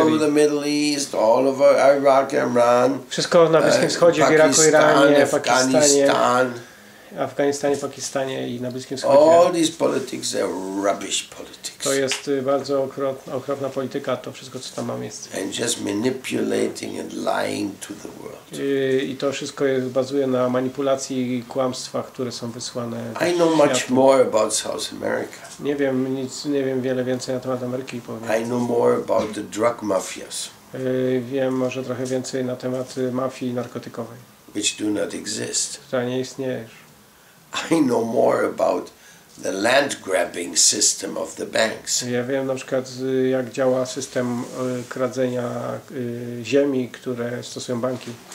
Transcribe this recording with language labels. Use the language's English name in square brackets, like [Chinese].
[English] All over the Middle East, all over Iraq, Iran. [Polish] Wszystko na Bliskim Wschodzie, w Iraku, Iranie, Pakistanie. Afganistanie, Pakistanie i na Bliskim Wschodzie. [English] All these politics are rubbish politics. [Polish] To jest bardzo okropna polityka, to wszystko, co tam ma miejsce. [English] And just manipulating and lying to the world. [Polish] I to wszystko bazuje na manipulacji i kłamstwach, które są wysłane [English] do I know much more about South America. [Polish] Nie wiem wiele więcej na temat Ameryki. Powiem. [English] I know more about the drug mafias. [Polish] Wiem może trochę więcej na temat mafii narkotykowej. [English] Which do not exist. [Polish] Która nie istnieje. [English] I know more about the land grabbing system of the banks. [Polish] Ja wiem na przykład, jak działa system kradzenia ziemi, które stosują banki.